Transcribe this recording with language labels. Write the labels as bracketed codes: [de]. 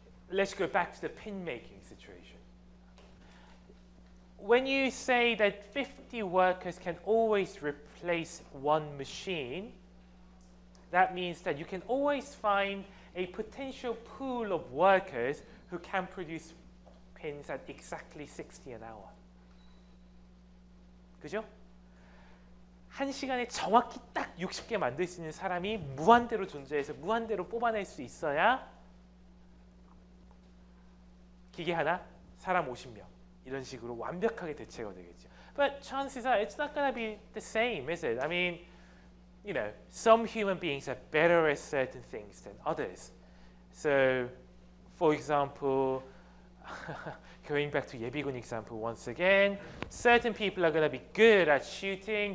[en] Let's go back to the pin making situation. When you say that 50 workers can always replace one machine, that means that you can always find a potential pool of workers who can produce pins at exactly 60 an hour. [ko] 그죠? 한 시간에 정확히 딱 60개 만들 수 있는 사람이 무한대로 존재해서 무한대로 뽑아낼 수 있어야 기계 하나, 사람 50명 이런 식으로 완벽하게 대체가 되겠죠. [en] But chances are it's not going to be the same, is it? I mean, you know, some human beings are better at certain things than others. So, for example, going back to Yebigun example once again, certain people are going to be good at shooting.